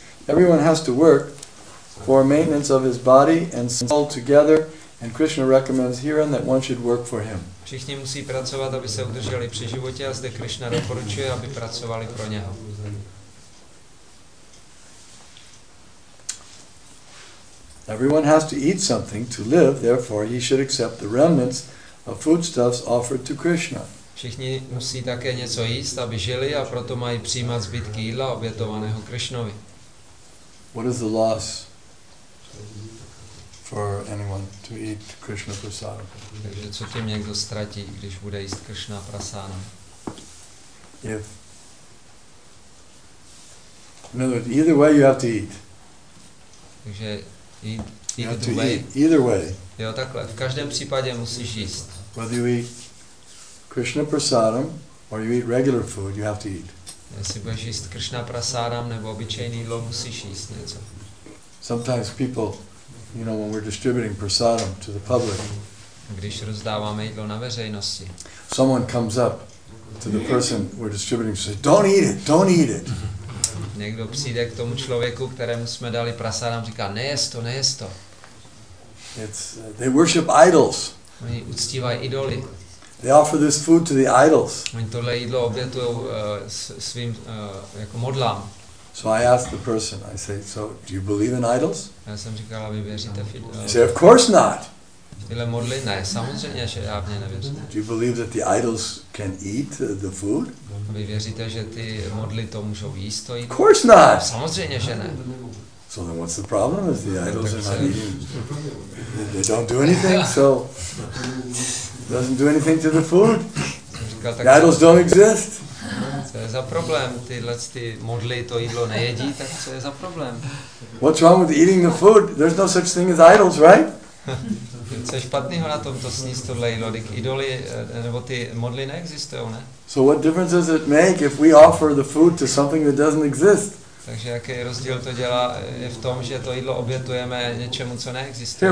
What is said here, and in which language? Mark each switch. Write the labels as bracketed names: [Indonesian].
[English] Everyone has to work for maintenance of his body and soul together, and Krishna recommends herein that one should work for him. [Czech] Všichni musí pracovat, aby se udrželi při životě, a zde Krishna doporučuje, aby pracovali pro něho. [English] Everyone has to eat something to live, therefore he should accept the remnants of foodstuffs offered to Krishna. [Czech] Všichni musí také něco jíst, aby žili, a proto mají přijímat zbytky jídla obětovaného Krishnovi. [English] What is the loss for anyone to eat Krishna prasadam? [Czech] Takže co tím někdo ztratí, když bude jíst Krishna prasadam? [English] If no, either way you have to eat. [Czech] Takže [English] either way. [Czech] Jo, takhle. V každém případě musíš jíst. [English] Whether you eat Krishna prasadam or you eat regular food, you have to eat. [Czech] Jestli budeš jíst Krishna prasadam nebo obyčejný jídlo, musíš jíst něco. [English] Sometimes people, you know, when we're distributing prasadam to the public, [Czech] když rozdáváme jídlo na veřejnosti, [English] someone comes up to the person we're distributing and says, "Don't eat it, don't eat it." [Czech] Někdo přijde k tomu člověku, kterému jsme dali prasadam, říká, nejez to, nejez to. [English] They worship idols. [Czech] Oni uctívají idoly. [English] They offer this food to the idols. [Czech] Oni tohle jídlo obětují svým jako modlám. [English] So I ask the person, I say, so do you believe in idols? [Czech] Já jsem říkal, aby věříte v idoly. [English] He said, of course not. [Czech] Tyhle modly, ne, samozřejmě, že já v ně nevěřím. [English] Do you believe that the idols can eat the food? [Czech] Vy věříte, že ty modly to můžou jíst to jít? [English] Of course not! [Czech] Samozřejmě, že ne. [English] So then what's the problem is the idols are not eating. They don't do anything, so it doesn't do anything to the food. The idols don't exist. [Czech] Co je za problém? Tyhle ty modly to jídlo nejedí, tak co je za problém? [English] What's wrong with eating the food? There's no such thing as idols, right? [Czech] Co je špatného na tomto sníst tohle jídlo? Tak idoly, nebo ty modly neexistují, ne? [English] So what difference does it make if we offer the food to something that doesn't exist? [Czech] Takže jaký rozdíl to dělá, je v tom, že to jídlo obětujeme něčemu, co neexistuje.